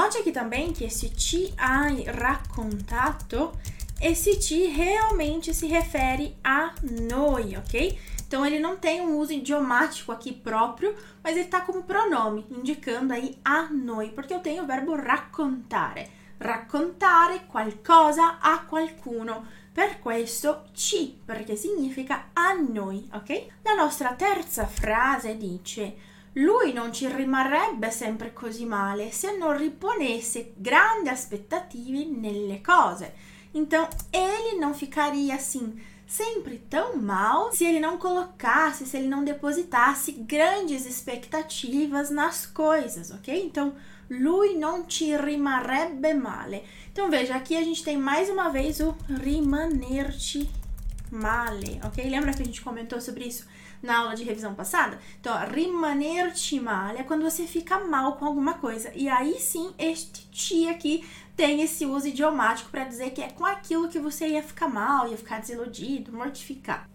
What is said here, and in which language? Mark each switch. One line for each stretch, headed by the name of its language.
Portuguese: Note aqui também que esse ti hai raccontato, esse ti realmente se refere a noi, ok? Então ele não tem um uso idiomático aqui próprio, mas ele está como pronome, indicando aí a noi, porque eu tenho o verbo raccontare.
Italian: Raccontare qualcosa a qualcuno. Per questo ci, perché significa a noi, ok? La nostra terza frase dice: lui non ci rimarrebbe sempre così male se non riponesse grandi aspettative nelle cose.
Portuguese: Então, ele não ficaria assim sempre tão mal se ele não colocasse, se ele não depositasse grandes expectativas nas coisas, ok? Então,
Italian: lui non ci rimarrebbe male.
Portuguese: Então veja, aqui a gente tem mais uma vez o rimanerci male, ok? Lembra que a gente comentou sobre isso na aula de revisão passada? Então, rimanerci male é quando você fica mal com alguma coisa. E aí sim, este ti aqui tem esse uso idiomático para dizer que é com aquilo que você ia ficar mal, ia ficar desiludido, mortificar.